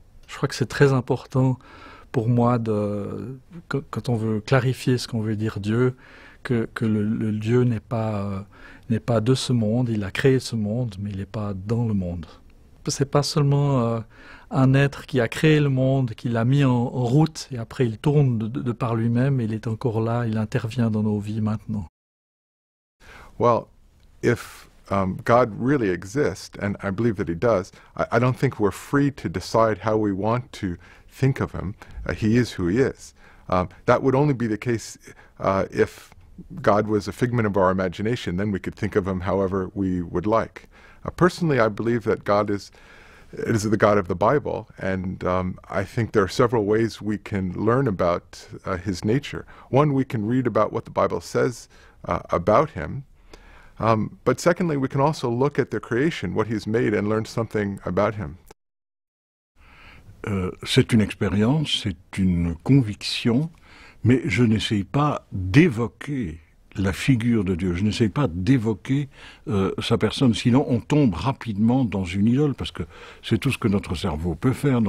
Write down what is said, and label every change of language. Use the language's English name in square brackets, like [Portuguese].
[French] Je crois que c'est très important pour moi, quand on veut clarifier ce qu'on veut dire Dieu, que le Dieu n'est pas de ce monde, il a créé ce monde, mais il n'est pas dans le monde. Ce n'est pas seulement un être qui a créé le monde, qui l'a mis en route, et après il tourne de par lui-même, il est encore là, il intervient dans nos vies maintenant. [English] Well, if God really exists, and I believe that he does, I don't think we're free to decide how we want to think of him. He is who he is. That would only be the case if God was a figment of our imagination, then we could think of him however we would like. Personally, I believe that God is the God of the Bible, and I think there are several ways we can learn about his nature. One, we can read about what the Bible says about him. But secondly, we can also look at the creation, what he's made, and learn something about him. [French] C'est une expérience, c'est une conviction, mais je n'essaye pas d'évoquer la figure de Dieu, je n'essaye pas d'évoquer sa personne, sinon on tombe rapidement dans une idole, parce que c'est tout ce que notre cerveau peut faire.